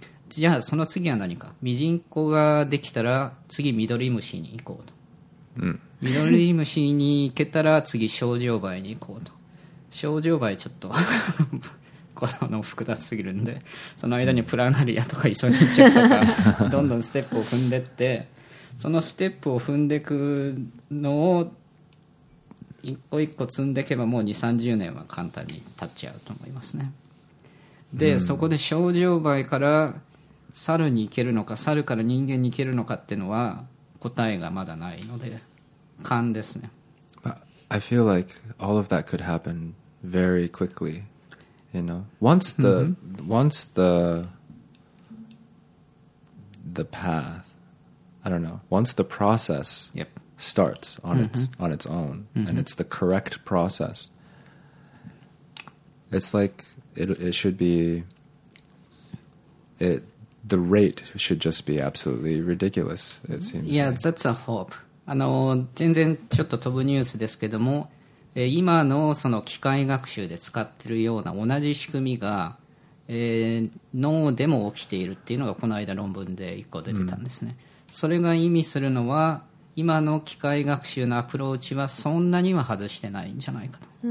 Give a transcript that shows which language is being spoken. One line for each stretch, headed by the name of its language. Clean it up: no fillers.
Japanese: じゃあその次は何か、ミジンコができたら次ミドリムシに行こうと、ミドリムシに行けたら次ショウジョウバエに行こうと、症状場合ちょっとこの複雑すぎるんで、その間にプラナリアとかイソニンチュクとかどんどんステップを踏んでって、そのステップを踏んでくのを一個一個積んでいけばもう 2,30 年は簡単に経っちゃうと思いますね。でそこで症状場合から猿に行けるのか猿から人間に行けるのかっていうのは答えがまだないので勘ですね。
English: I feel like all of that could happen very quickly, you know. Once the once the path, I don't know. Once the process starts on its on its own, and it's the correct process, it's like it should be. It the rate should just be absolutely ridiculous. It seems. Yeah, like. That's a hope.
Japanese: 全然ちょっと飛ぶニュースですけども、今のその機械学習で使ってるような同じ仕組みが、脳でも起きているっていうのがこの間論文で一個出てたんですね、それが意味するのは今の機械学習のアプローチはそんなには外してないんじゃないかと、